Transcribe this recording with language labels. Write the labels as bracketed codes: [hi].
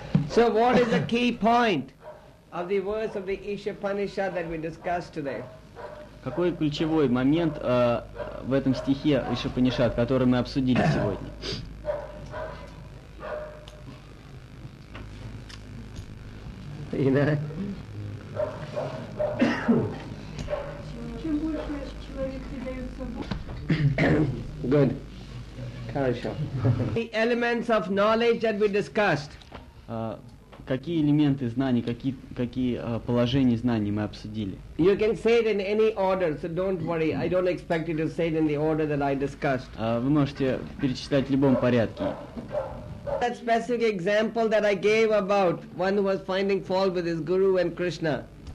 [en] So what is the key point of the verse of the Ishapanishad that we discussed today? [ru] Какой ключевой момент в этом стихе Ишапанишад, который мы обсудили сегодня? Чем больше человек предаёт собой. [en] Good. [ru] Хорошо. [en] The elements of knowledge that we discussed. [ru] Какие элементы знаний, какие положения знаний мы обсудили? [en] You can say it in any order, so don't worry. I don't expect you to say it in the order that I discussed. [ru] Вы можете перечислять в любом порядке. [en] That specific example that I gave about one who was finding fault with his guru and Krishna.